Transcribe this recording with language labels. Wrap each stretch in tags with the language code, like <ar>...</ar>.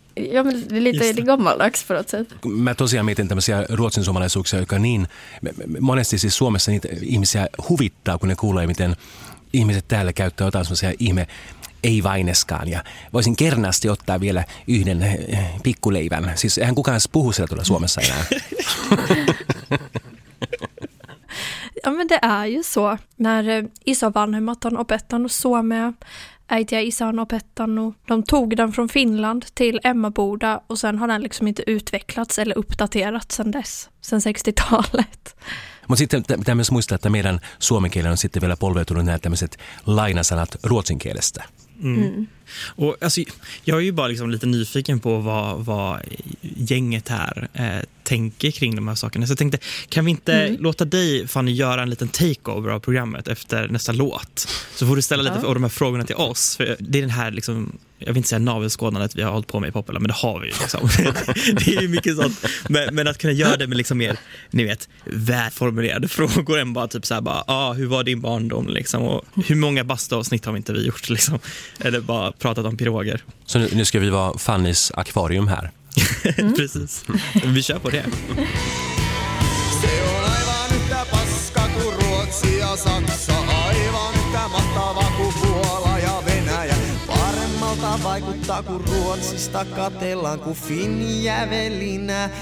<sv>Ja, men det är lite gammaldags på något sätt.</sv> <fi>Mä tosiaan mietin tämmöisiä ruotsinsuomalaisuuksia, jotka niin... Monesti siis Suomessa niitä ihmisiä huvittaa, kun ne kuulee, miten ihmiset täällä käyttää jotain semmoisia ihme... Ei vaineskaan. Ja voisin kernaasti ottaa vielä yhden pikkuleivän. Siis eihän kukaan puhu siellä tuolla Suomessa enää.</fi> <sv>Ja, men det är ju så. När</sv> <fi>isovanhemmat</fi> <sv>och bettan och så med Äitiä Isän och Pettanu. De tog den från Finland till Emmaboda och sen har den liksom inte utvecklats eller uppdaterats sen dess, sen 60-talet.</sv> <fi>Mutta sitten pitää myös muistaa, että meidän suomen kielen on sitten vielä polveutunut nämä tämmöiset lainasanat ruotsin kielestä. Mm.</fi> <sv>Och alltså, jag är ju bara liksom lite nyfiken på vad gänget här tänker kring de här sakerna. Så jag tänkte, kan vi inte låta dig, Fanny, göra en liten takeover av programmet efter nästa låt? Så får du ställa lite av de här frågorna till oss. För det är den här, liksom, jag vill inte säga navelskådandet vi har hållit på med i Popula, men det har vi ju liksom. Det är ju mycket sånt. Men att kunna göra det med liksom mer, ni vet, välformulerade frågor än bara typ så här, bara, ah, hur var din barndom? Liksom, och hur många bastavsnitt har vi inte gjort? Liksom? Eller bara pratat om piroger. Så nu ska vi vara Fannys akvarium här. Precis. Vi kör på det.</sv> <fi>Se on aivan yhtä paska kuin Ruotsi ja Saksa. Aivan yhtä mahtava kuin Puola ja Venäjä. Paremmalta vaikuttaa kuin Ruotsista katellaan kuin Finjävelinä.</fi>